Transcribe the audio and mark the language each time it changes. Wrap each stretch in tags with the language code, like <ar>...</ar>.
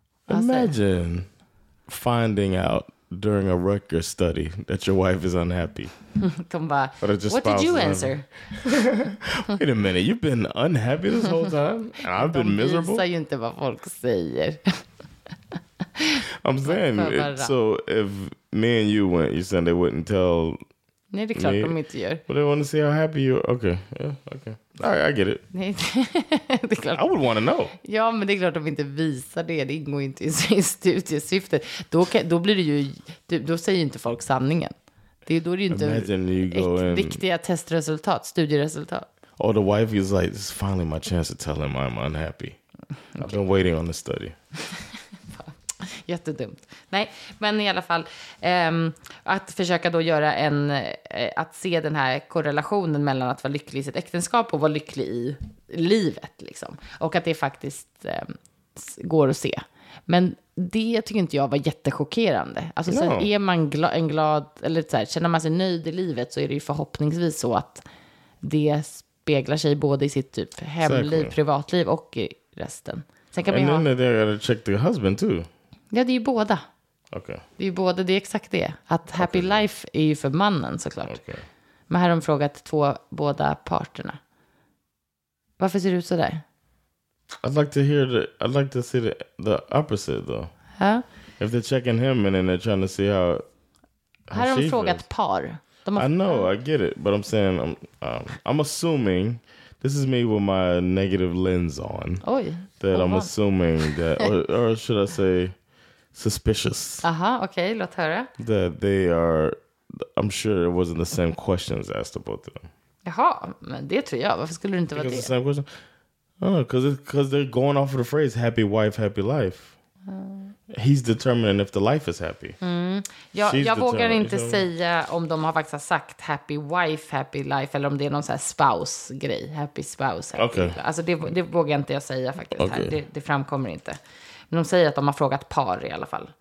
<en>Imagine finding out during a Rutgers study that your wife is unhappy. What did you answer? Wait a minute, you've been unhappy this whole time? And I've been miserable?</en> <sv>De visar ju inte vad folk säger.</sv> <en>I'm saying, so if me and you went, you said they wouldn't tell me?</en> <sv>Nej, det är klart de inte gör.</sv> <en>But they want to see how happy you are. Okay, yeah, okay. All right, I get it.</en> <sv>Det är klart.</sv> <en>I would want to know.</en> <sv>Ja, men det är klart de inte visar det. Det ingår inte i sin studiesyfte. Då blir det ju, då säger ju inte folk sanningen. Då är det ju inte riktiga testresultat, studieresultat.</sv> <en>Oh, the wife is like, it's finally my chance to tell him I'm unhappy. Okay. I've been waiting on the study.</en> <sv>Jättedumt. Nej, men i alla fall, att försöka då göra en, att se den här korrelationen mellan att vara lycklig i sitt äktenskap och vara lycklig i livet, liksom. Och att det faktiskt går att se. Men det tycker inte jag var jättechockerande. Alltså, no. Så här, är man glad, eller så här, känner man sig nöjd i livet, så är det ju förhoppningsvis så att det speglar sig både i sitt typ hemliv, privatliv och i resten. Sen kan man ju ha...</sv> <en>And check the husband too.</en> <sv>Ja, det är ju båda.</sv> <en>Okay.</en> <sv>Det är ju båda, det är exakt det. Att</sv> <en>happy life</en> <sv>är ju för mannen, såklart.</sv> <en>Okay.</en> <sv>Men här har de frågat två, båda parterna. Varför ser du ut så där?</sv> <en>I'd like to see the opposite though. Huh? If they're checking him and then they're trying to see how</en> <sv>Här har de frågat par. De har</sv> <en>I know, I get it, but I'm saying I'm assuming this is me with my negative lens on.</en> <sv>Oj.</sv> <en>That I'm assuming that or should I say suspicious.</en> <sv>Aha, okay, låt höra.</sv> <en>That they are, I'm sure it wasn't the same questions asked about them.</en> <sv>Jaha, men det tror jag. Varför skulle det inte vara det?</sv> <en>The same question? Because they're going off of the phrase happy wife, happy life. Mm. He's determining if the life is happy. Mm.</en> <sv>Jag vågar inte säga om de har faktiskt sagt</sv> <en>happy wife, happy life,</en> <sv>eller om det är någon sån här spouse-grej.</sv> <en>Happy spouse, happy okay. life.</en> <sv>Alltså det vågar inte jag säga faktiskt. Okay. Det framkommer inte. Men de säger att de har frågat par i alla fall.</sv>